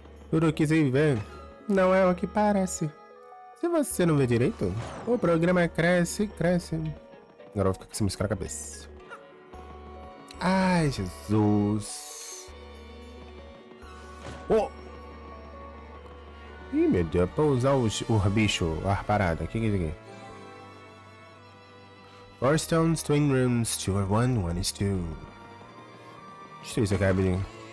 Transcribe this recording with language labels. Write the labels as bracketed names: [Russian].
[Portuguese] Tudo que se vê não é o que parece. Se você não vê direito, o programa cresce e cresce. Agora eu vou ficar com essa música na cabeça. Ai, Jesus. Oh! Ih, meu Deus, é pra usar os bichos, as paradas. O que é isso aqui? [English] Four stones, twin rooms, two are one, one is two. [Portuguese] Deixa eu ver isso aqui rapidinho.